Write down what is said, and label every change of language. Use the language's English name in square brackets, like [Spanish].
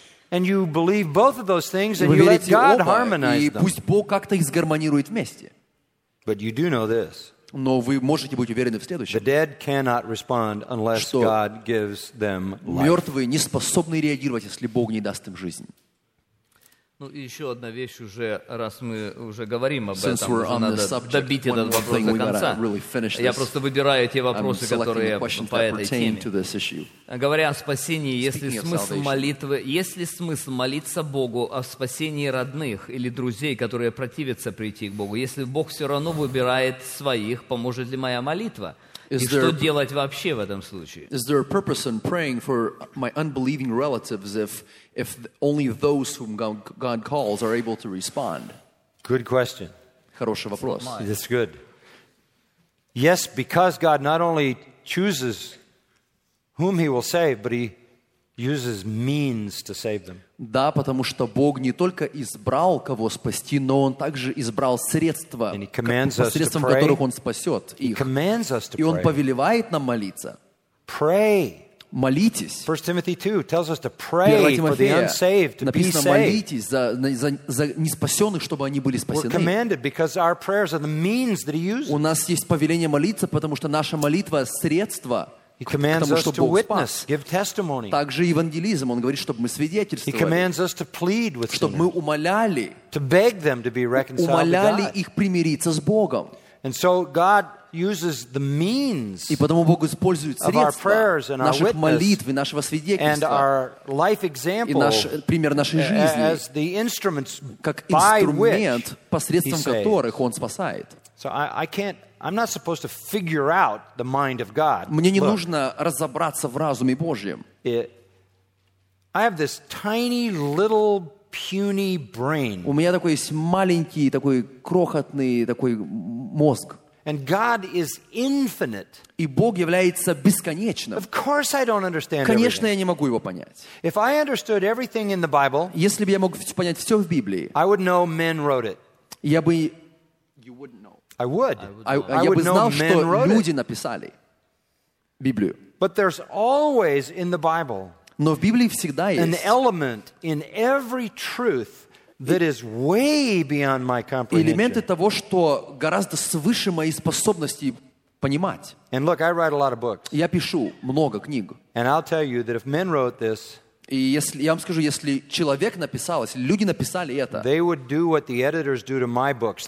[English] And you believe both of those things, and you let God harmonize them. [Russian] И пусть Бог как-то их сгармонирует вместе. [English] But you do know this. [Russian] Но вы можете быть уверены в следующем. [English] The dead cannot respond unless God gives them life. [Russian] Мертвые не способны реагировать, если Бог не даст им жизнь. Ну и еще одна вещь уже, раз мы уже говорим об [English] Since [Russian] этом, надо [English] subject, [Russian] добить этот вопрос до конца. [English] Really [Russian] я просто выбираю те вопросы, которые по этой теме. Говоря о спасении, есть ли смысл молиться Богу о спасении родных или друзей, которые противятся прийти к Богу? Если Бог все равно выбирает своих, поможет ли моя молитва? И что делать вообще в этом случае? [English] Is there a purpose in praying for my unbelieving relatives if only those whom God calls are able to respond? Good question. [Russian] Хороший вопрос. [English] That's good. Yes, because God not only chooses whom he will save, but he uses means to save them. [Russian] Да, потому что Бог не только избрал, кого спасти, но Он также избрал средства, посредством которых Он спасет их. И Он повелевает нам молиться. [English] Pray. [Russian] Молитесь. [English] 1 Timothy 2 tells us to pray for the unsaved, to be saved. [Russian] Написано, молитесь за неспасенных, чтобы они были спасены. [English] We're commanded because our prayers are the means that he uses. [Russian] У нас есть повеление молиться, потому что наша молитва – средство. [English] He commands us to witness, give testimony. [Russian] Также евангелизм, он говорит, чтобы мы свидетельствовали. [English] He commands us to plead with them. [Russian] Чтобы мы умоляли. [English] To beg them to be reconciled to God. [Russian] Умоляли их примириться с Богом. [English] And so God uses the means. [Russian] И потому Бог использует средства. [English] Our prayers and our witness. [Russian] Молитвы, нашего свидетельства. [English] And our life example. [Russian] И наш пример нашей жизни. [English] As the instruments, [Russian] как инструмент, посредством которых он спасает. [English] So I can't. I'm not supposed to figure out the mind of God. [Russian] Мне не нужно разобраться в разуме Божьем. [English] I have this tiny little puny brain. [Russian] У меня такой есть маленький такой крохотный такой мозг. [English] And God is infinite. [Russian] И Бог является бесконечным. [English] Of course I don't understand. [Russian] Конечно, я не могу его понять. [English] If I understood everything in the Bible, [Russian] если бы я мог понять все в Библии, [English] I would know men wrote it. [Russian] Я бы [English] You wouldn't know. I would. [Russian] Я бы знал, что люди написали Библию. [English] But there's always in the Bible. [Russian] Но в Библии всегда есть [English] an element in every truth that is way beyond my comprehension. [Russian] Элементы того, что гораздо свыше моей способности понимать. [English] And look, I write a lot of books. [Russian] Я пишу много книг. [English] And I'll tell you that if men wrote this. [Russian] И если, я вам скажу, если человек написал, если люди написали это, [English] they would do what the editors do to my books.